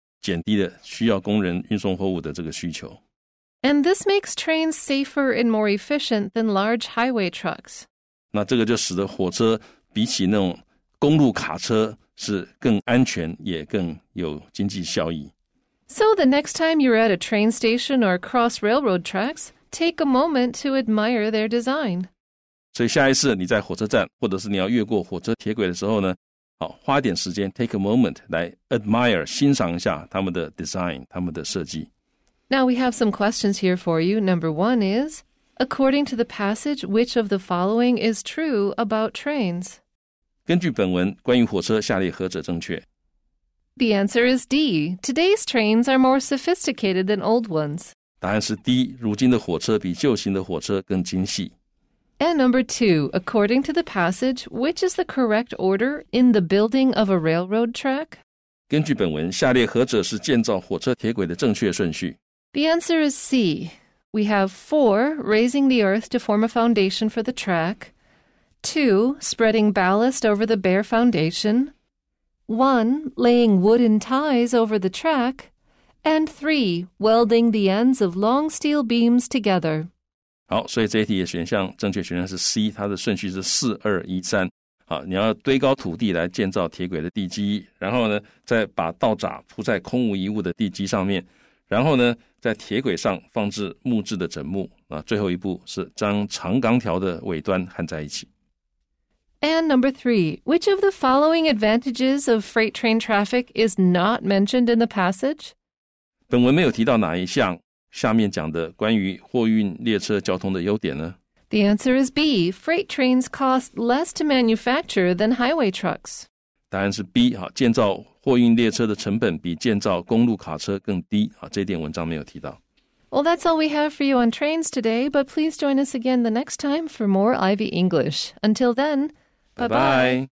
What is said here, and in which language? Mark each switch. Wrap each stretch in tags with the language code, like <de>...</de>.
<zh>减低了需要工人运送货物的这个需求。</zh> <en>And this makes trains safer and more efficient than large highway trucks.</en> <zh>那这个就使得火车比起那种公路卡车是更安全也更有经济效益。</zh> <en>So the next time you're at a train station or cross railroad tracks, take a moment to admire their design.</en> <zh>所以下一次你在火车站或者是你要越过火车铁轨的时候呢，好，花点时间</zh> <en>take a moment</en> <zh>来</zh> <en>admire</en> <zh>欣赏一下他们的</zh> <en>design</en> <zh>他们的设计。</zh> <en>Now we have some questions here for you. Number one is, according to the passage, which of the following is true about trains?</en> <zh>根据本文，关于火车，下列何者正确？</zh> <en>The answer is D. Today's trains are more sophisticated than old ones.</en> <zh>答案是 D. 如今的火车比旧型的火车更精细。</zh> <en>And number two, according to the passage, which is the correct order in the building of a railroad track?</en> <zh>根据本文，下列何者是建造火车铁轨的正确顺序？</zh> <en>The answer is C. We have 4, raising the earth to form a foundation for the track. 2, spreading ballast over the bare foundation. 1, laying wooden ties over the track. And 3, welding the ends of long steel beams together.</en> <zh>好，所以这一题的选项，正确选项是 C, 它的顺序是4213。好，你要堆高土地来建造铁轨的地基，然后呢，再把道闸铺在空无一物的地基上面。然后呢，在铁轨上放置木质的枕木，啊，最后一步是将长钢条的尾端焊在一起。</zh> <en>And number three, which of the following advantages of freight train traffic is not mentioned in the passage?</en> <zh>本文没有提到哪一项下面讲的关于货运列车交通的优点呢？</zh> <en>The answer is B. Freight trains cost less to manufacture than highway trucks.</en> <zh>答案是 B, 建造货运列车的成本比建造公路卡车更低，这点文章没有提到。</zh> <en>Well, that's all we have for you on trains today, but please join us again the next time for more Ivy English. Until then, bye-bye.</en>